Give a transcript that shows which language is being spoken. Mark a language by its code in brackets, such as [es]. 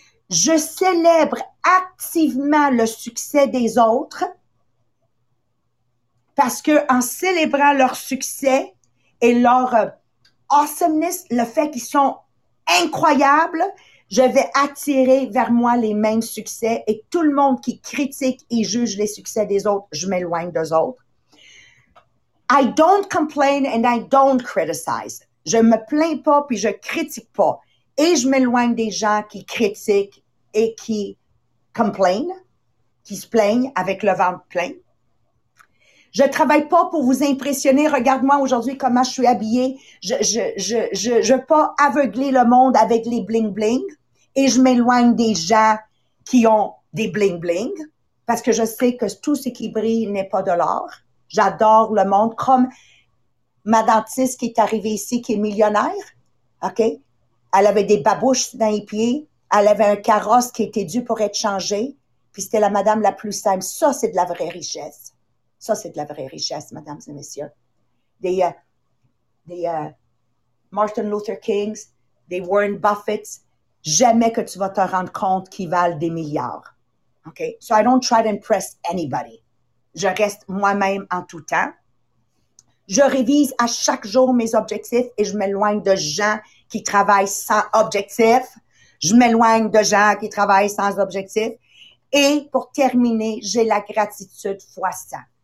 [fr] Je célèbre activement le succès des autres parce que en célébrant leur succès et leur awesomeness, le fait qu'ils sont incroyables, je vais attirer vers moi les mêmes succès et tout le monde qui critique et juge les succès des autres, je m'éloigne d'eux autres. [en] I don't complain and I don't criticize. [fr] Je me plains pas puis je critique pas. Et je m'éloigne des gens qui critiquent et qui complain, qui se plaignent avec le ventre plein. Je travaille pas pour vous impressionner. Regarde-moi aujourd'hui comment je suis habillée. Je veux pas aveugler le monde avec les bling-bling. Et je m'éloigne des gens qui ont des bling-bling. Parce que je sais que tout ce qui brille n'est pas de l'or. J'adore le monde comme ma dentiste qui est arrivée ici, qui est millionnaire, OK? Elle avait des babouches dans les pieds. Elle avait un carrosse qui était dû pour être changé. Puis c'était la madame la plus simple. Ça, c'est de la vraie richesse. Ça, c'est de la vraie richesse, mesdames et messieurs. Des Martin Luther Kings, des Warren Buffett, jamais que tu vas te rendre compte qu'ils valent des milliards. [en] OK? So I don't try to impress anybody. [fr] Je reste moi-même en tout temps. Je révise à chaque jour mes objectifs et je m'éloigne de gens qui travaillent sans objectifs. Je m'éloigne de gens qui travaillent sans objectifs. Et pour terminer, j'ai la gratitude fois 100.